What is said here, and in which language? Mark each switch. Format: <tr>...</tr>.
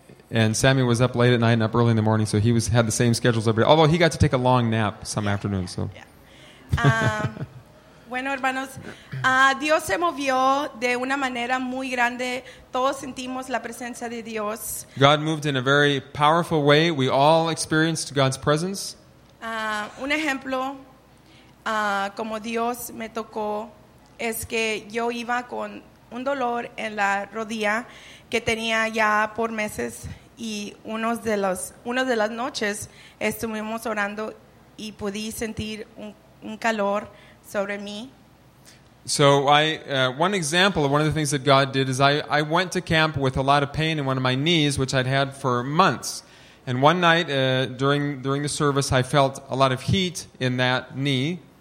<en>And Sammy was up late at night and up early in the morning, so he had the same schedule as everybody, although he got to take a long nap some afternoon, so. Yeah.</en> <es>Bueno, hermanos, Dios se movió de una manera muy grande. Todos sentimos la presencia de Dios.</es> <en>God moved in a very powerful way. We all experienced God's presence.</en> <es>Un ejemplo, como Dios me tocó, es que yo iba con un dolor en la rodilla que tenía ya por meses, y una de las noches estuvimos orando y pude sentir un calor sobre mí.</es> <en>So one example of one of the things that God did is I went to camp with a lot of pain in one of my knees, which I'd had for months. And one night during the service, I felt a lot of heat in that knee.</en>